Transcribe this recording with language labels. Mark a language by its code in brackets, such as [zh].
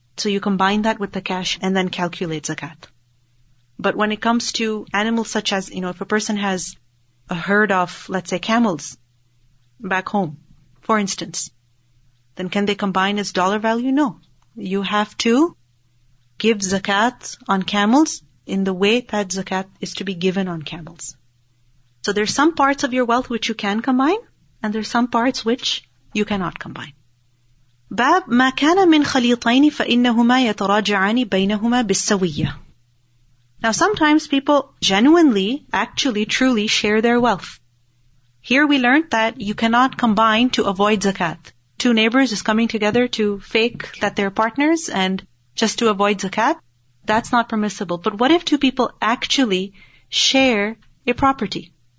[en] So you combine that with the cash and then calculate zakat. But when it comes to animals such as, you know, if a person has a herd of, let's say, camels back home, for instance, then can they combine as dollar value? No. You have to give zakat on camels in the way that zakat is to be given on camels. So there's some parts of your wealth which you can combine, and there's some parts which you cannot combine. [ar] باب ما كان من خليطين فإنهما يتراجعان بينهما بالسوية. [en] Now sometimes people genuinely, actually, truly share their wealth. Here we learned that you cannot combine to avoid zakat. Two neighbors is coming together to fake that they're partners and just to avoid zakat. That's not permissible. But what if two people actually share a property?